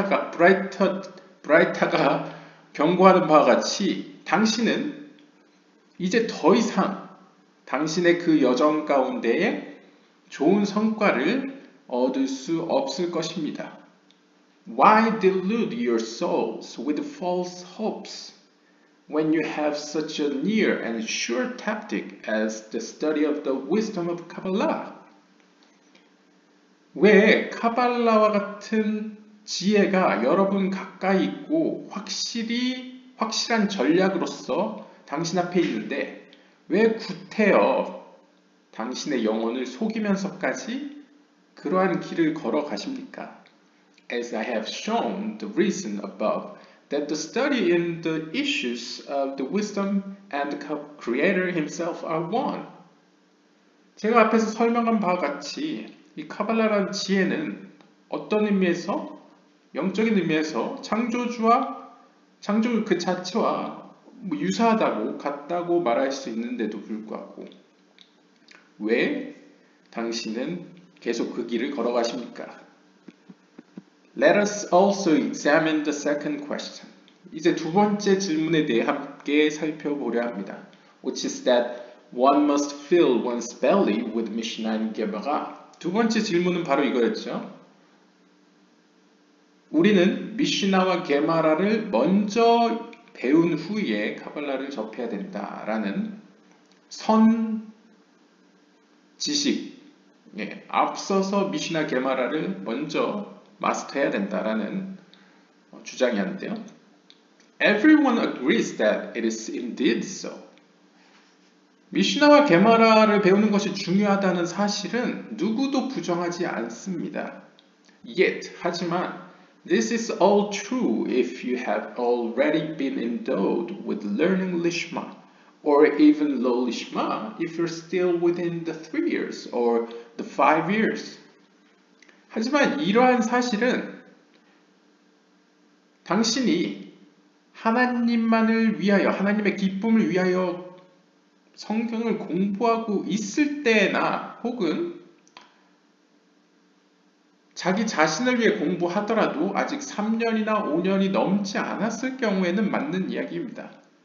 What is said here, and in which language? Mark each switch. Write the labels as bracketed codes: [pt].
[ko] 브라이터가 경고하는 바와 같이 당신은 이제 더 이상 당신의 그 여정 가운데에 좋은 성과를 얻을 수 없을 것입니다. [en] Why delude your souls with false hopes when you have such a near and sure tactic as the study of the wisdom of Kabbalah? [ko] 왜 카발라와 같은 지혜가 여러분 가까이 있고 확실한 전략으로서 당신 앞에 있는데 왜 구태여 당신의 영혼을 속이면서까지 그러한 길을 걸어가십니까? [en] As I have shown the reason above, that the study in the issues of the wisdom and the creator himself are one. [ko] 제가 앞에서 설명한 바와 같이 이 카발라라는 지혜는 어떤 의미에서? 영적인 의미에서 창조주와 창조 그 자체와 뭐 유사하다고, 같다고 말할 수 있는데도 불구하고 왜 당신은 계속 그 길을 걸어가십니까? [en] Let us also examine the second question. [ko] 이제 두 번째 질문에 대해 함께 살펴보려 합니다. [en] Which is that one must fill one's belly with Mishnah and Gemara. [ko] 두 번째 질문은 바로 이거였죠. 우리는 미시나와 게마라를 먼저 배운 후에 카발라를 접해야 된다라는 선 지식, 예, 앞서서 미시나 게마라를 먼저 마스터해야 된다라는 주장이었는데요. [en] Everyone agrees that it is indeed so. [ko] 미시나와 게마라를 배우는 것이 중요하다는 사실은 누구도 부정하지 않습니다. [en] Yet, [ko] 하지만 [en] This is all true if you have already been endowed with learning Lishma, or even low Lishma, if you're still within the 3 years or the 5 years. [ko] 하지만 이러한 사실은 당신이 하나님만을 위하여, 하나님의 기쁨을 위하여 성경을 공부하고 있을 때나 혹은 자기 자신을 위해 공부하더라도 아직 3년이나 5년이 넘지 않았을 경우에는 맞는 이야기입니다.